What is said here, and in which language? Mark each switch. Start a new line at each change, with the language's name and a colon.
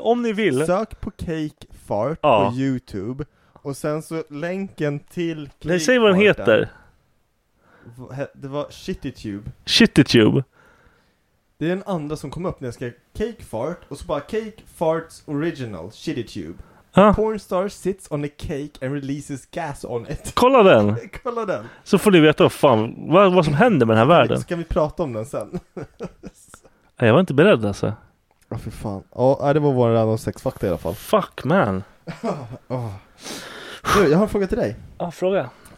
Swedish: Om ni vill. Sök på Cake Fart på YouTube. Och sen så länken till... Nej, säg vad den heter. Det var Shittytube. Shittytube. Det är en andra som kom upp när jag ska cake fart. Och så bara cake farts original. Shittytube.
English: Pornstar sits on a cake and releases gas on it.
Swedish: Kolla den. Kolla den. Så får ni veta vad som händer med den här världen. Ska vi prata om den sen? Jag var inte beredd alltså. Ja, för fan. Ja, det var vår
English: random sex
Swedish: fakta i alla fall.
English: Fuck man.
Swedish: Du, jag har en fråga till dig. Ja, fråga.